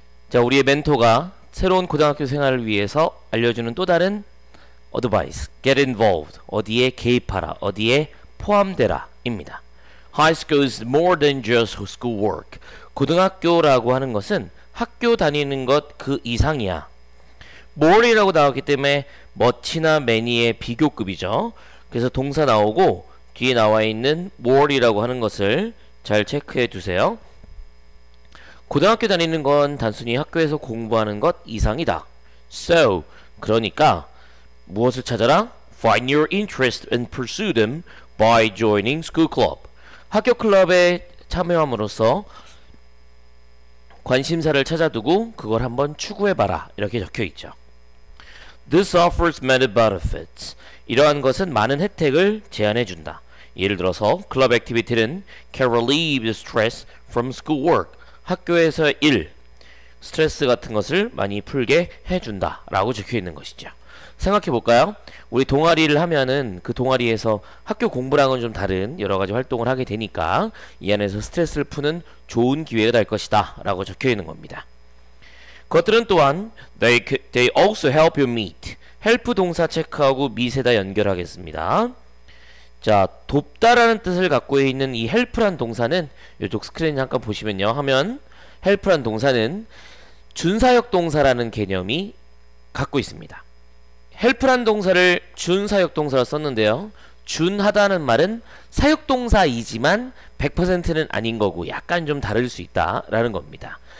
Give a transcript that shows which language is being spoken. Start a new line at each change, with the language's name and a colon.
Korean: 자, 우리의 멘토가 새로운 고등학교 생활을 위해서 알려주는 또 다른 어드바이스,
English: get involved,
Korean: 어디에 개입하라, 어디에 포함되라입니다.
English: High school is more than just schoolwork.
Korean: 고등학교라고 하는 것은 학교 다니는 것그 이상이야. more이라고 나왔기 때문에 much이나 many의 비교급이죠. 그래서 동사 나오고 뒤에 나와 있는 more이라고 하는 것을 잘 체크해 두세요. 고등학교 다니는 건 단순히 학교에서 공부하는 것 이상이다. So, 그러니까 무엇을 찾아라?
English: Find your interest and pursue them by joining school club.
Korean: 학교 클럽에 참여함으로써 관심사를 찾아두고 그걸 한번 추구해봐라. 이렇게 적혀 있죠.
English: This offers many benefits.
Korean: 이러한 것은 많은 혜택을 제안해 준다. 예를 들어서,
English: club activity는 can relieve stress from schoolwork.
Korean: 학교에서 일, 스트레스 같은 것을 많이 풀게 해준다 라고 적혀 있는 것이죠. 생각해 볼까요? 우리 동아리를 하면은 그 동아리에서 학교 공부랑은 좀 다른 여러 가지 활동을 하게 되니까 이 안에서 스트레스를 푸는 좋은 기회가 될 것이다 라고 적혀 있는 겁니다. 그것들은 또한
English: they also help you meet.
Korean: 헬프 동사 체크하고 meet에다 연결하겠습니다. 자, 돕다라는 뜻을 갖고 있는 이 help란 동사는 이쪽 스크린 잠깐 보시면요. 하면 help란 동사는 준사역 동사라는 개념이 갖고 있습니다. help란 동사를 준사역 동사로 썼는데요. 준하다는 말은 사역 동사이지만 100%는 아닌 거고 약간 좀 다를 수 있다라는 겁니다.